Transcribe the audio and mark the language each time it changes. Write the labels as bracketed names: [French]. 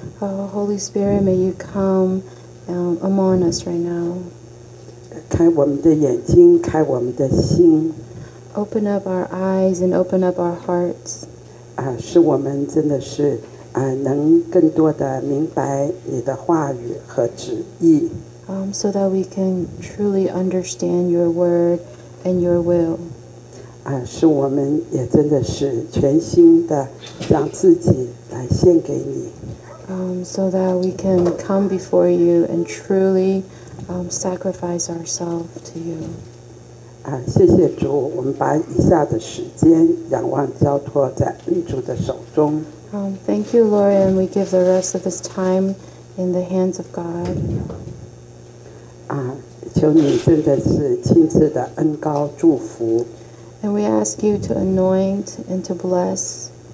[English] Holy Spirit, may you come among us right now. [Chinese] 开我们的眼睛，开我们的心。 [English] Open up our eyes and open up our hearts. [Chinese] 使我们真的是能更多的明白你的话语和旨意。 [English] So that we can truly understand your word and your will. [Chinese] 使我们也真的是全心的让自己来献给你。 [English] So that we can come before you and truly sacrifice ourselves to you. [Chinese] 谢谢主，我们把以下的时间仰望交托在恩主的手中。 [English] Thank you, Lord, and we give the rest of this time in the hands of God. [Chinese] 求你真的是亲自的恩膏祝福。 [English] And we ask you to anoint and to bless.